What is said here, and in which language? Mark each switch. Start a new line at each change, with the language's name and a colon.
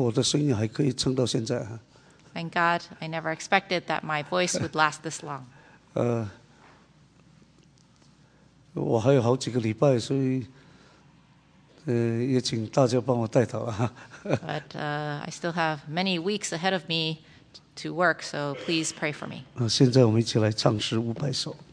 Chinese: 感谢主，我没想到我的声音还可以撑到现在啊。
English: Thank God, I never expected that my voice would last this long.
Chinese: 我还有好几个礼拜，所以也请大家帮我带头啊。But
English: I still have many weeks ahead of me to work, so please pray for me.
Chinese: 现在我们一起来唱诗500首。